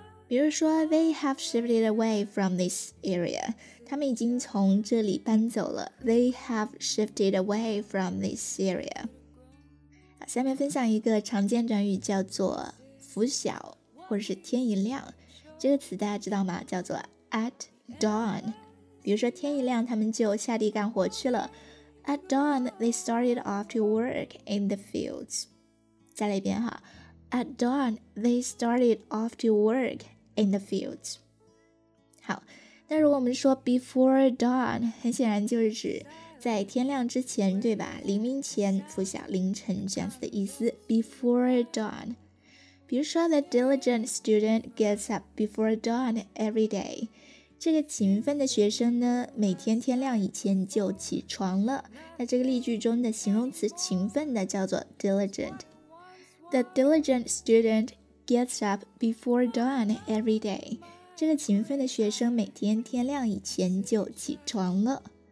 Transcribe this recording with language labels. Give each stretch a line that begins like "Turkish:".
Chinese: 比如说
English: ,they have shifted away from this area.
Chinese: 他们已经从这里搬走了。
English: They have shifted away from this area.
Chinese: 下面分享一个常见短语叫做拂晓或者是天一亮。这个词大家知道吗？叫做 at dawn。比如说天一亮他们就下地干活去了。
English: At dawn, they started off to work in the fields.
Chinese: 再来一遍哈。
English: At dawn, they started off to work in the fields.
Chinese: 好，那如果我们说 before dawn, 很显然就是指在天亮之前，对吧？黎明前，拂晓凌晨这样子的意思。
English: Before dawn.
Chinese: 比如说
English: the diligent student gets up before dawn every day.
Chinese: 这个勤奋的学生呢，每天天亮以前就起床了。那这个例句中的形容词勤奋的叫做 diligent。
English: The diligent student gets up before dawn every day.
Chinese: 这个勤奋的学生每天天亮以前就起床了。